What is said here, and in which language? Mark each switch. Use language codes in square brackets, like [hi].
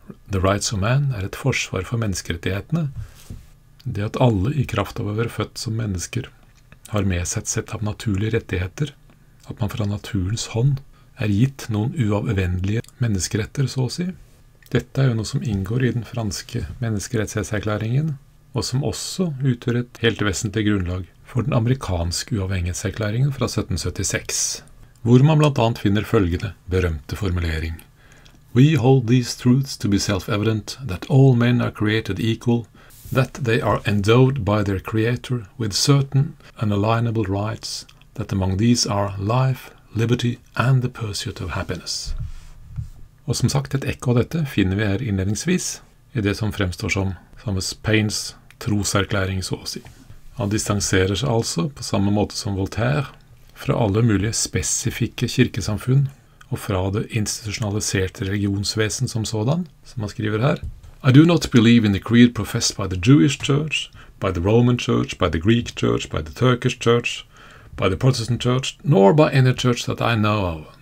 [no] The Rights of Man er et forsvar for menneskerettighetene, det at alle i kraft av å være født som mennesker har med seg et sett av naturlige rettigheter, at man fra naturens hånd er gitt noen uavvendelige menneskeretter, så å si. Dette er jo noe som inngår i den franske menneskerettighetserklæringen, og som også utgjør et helt vesentlig grunnlag for den amerikanske uavhengighetserklæringen fra 1776, hvor man blant annet finner følgende berømte formulering. [en] We hold these truths to be self-evident, that all men are created equal, that they are endowed by their Creator with certain unalienable rights, that among these are life, liberty and the pursuit of happiness. [no] Og som sagt, et ekko av dette finner vi her innledningsvis i det som fremstår som Thomas Paines troserklæring, så å si. Han distanserer seg altså, på samme måte som Voltaire, fra alle mulige spesifikke kirkesamfunn, og fra det institusjonaliserte religionsvesen som sådan, som han skriver her. [en] I do not believe in the creed professed by the Jewish Church, by the Roman Church, by the Greek Church, by the Turkish Church, by the Protestant Church, nor by any church that I know of.